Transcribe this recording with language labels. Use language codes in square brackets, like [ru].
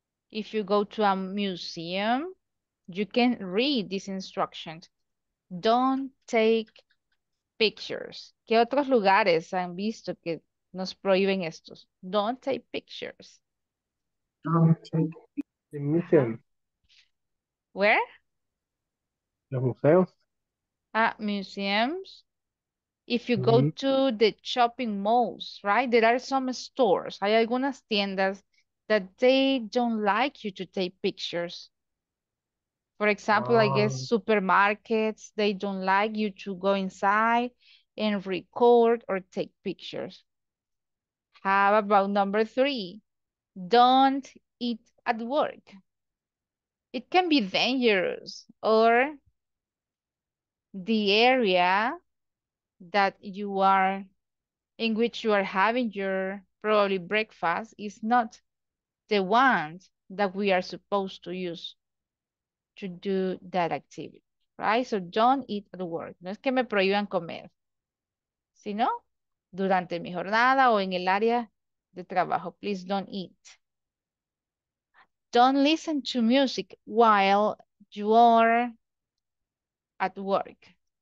[en] If you go to a museum, you can read these instructions. Don't take pictures. [es] ¿Qué otros lugares han visto que nos prohíben estos? [en] Don't take pictures. Ajá. Emisión. Where? [es] Los museos. [en] Ah, museums. If you go to the shopping malls, right? There are some stores. Hay algunas tiendas that they don't like you to take pictures. For example, I guess supermarkets, they don't like you to go inside and record or take pictures. How about number three? Don't eat at work. It can be dangerous, or the area that you are in which you are having your probably breakfast is not the one that we are supposed to use to do that activity, right? So don't eat at work. [es] No es que me prohíban comer, sino durante mi jornada o en el área de trabajo. [en] Please don't eat. Don't listen to music while you are at work.